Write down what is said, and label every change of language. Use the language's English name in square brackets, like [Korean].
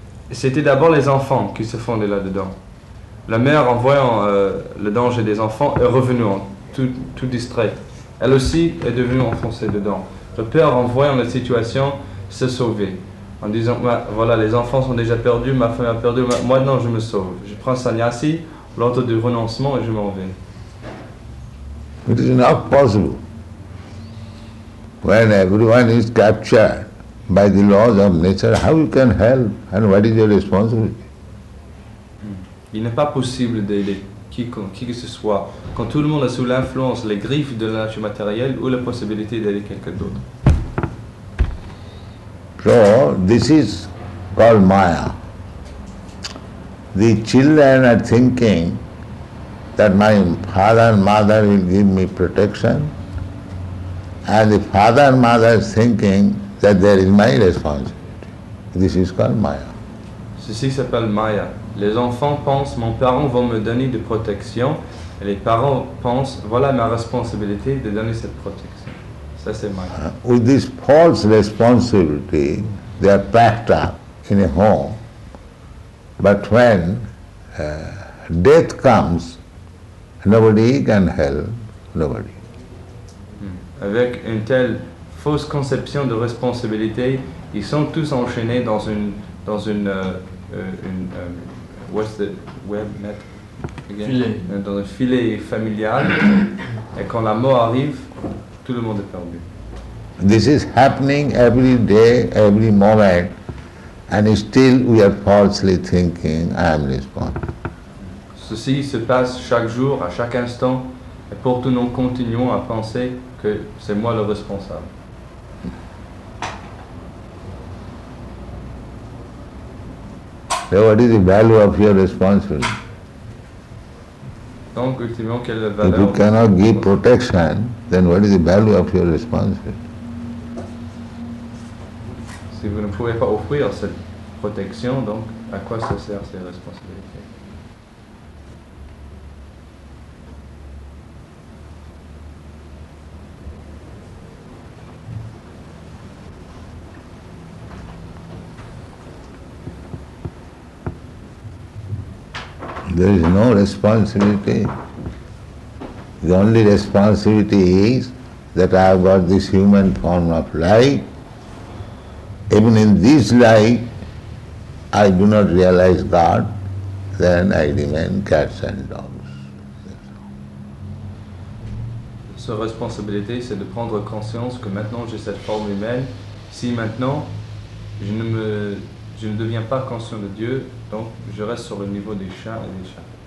[French] C'était d'abord les enfants qui se fondaient là-dedans. La mère, en voyant le danger des enfants, est revenue tout distraite. Elle aussi est devenue enfoncée dedans. Le père, en voyant la situation, s'est sauvé en disant, voilà, les enfants sont déjà perdus, ma femme a perdu, maintenant je me sauve. Je prends sannyasi, l'ordre du renoncement, et je m'en vais. [English] It is not possible. When everyone is captured by the laws of nature, how you can help and what is your responsibility? [French] Il n'est pas possible d'aider qui que ce soit quand tout le monde est sous l'influence, les griffes de la nature matérielle ou la possibilité d'aider quelqu'un d'autre. [English] So, this is called Maya. The children are thinking that my father and mother will give me protection, and the father and mother is thinking that there is my responsibility. This is called Maya. [French] Ceci s'appelle Maya. Les enfants pensent, mon parent va me donner de protection, et les parents pensent, voilà ma responsabilité de donner cette protection. Ça c'est Maya. [English] With this false responsibility, they are packed up in a home, but when death comes, nobody can help nobody. [French] Avec une telle fausse conception de responsabilité, ils sont tous enchaînés dans un filet familial. Et quand la mort arrive, tout le monde est perdu. [English] This is happening every day, every moment, and still we are falsely thinking I am responsible. [French] Ceci se passe chaque jour, à chaque instant, et pourtant nous continuons à penser que c'est moi le responsable. [English] So what is the value of your responsibility? [French] Donc, ultimement, quelle est la valeur? [English] If you cannot give protection, then what is the value of your responsibility? [French] Si vous ne pouvez pas offrir cette protection, donc à quoi se sert ces responsabilités? [English] There is no responsibility. The only responsibility is that I have got this human form of life. Even in this life, I do not realize God, then I remain cats and dogs. So responsibility is to [French] prendre conscience que maintenant j'ai cette forme humaine. Si maintenant je ne deviens pas conscient de Dieu, donc je reste sur le niveau des chats et des chats.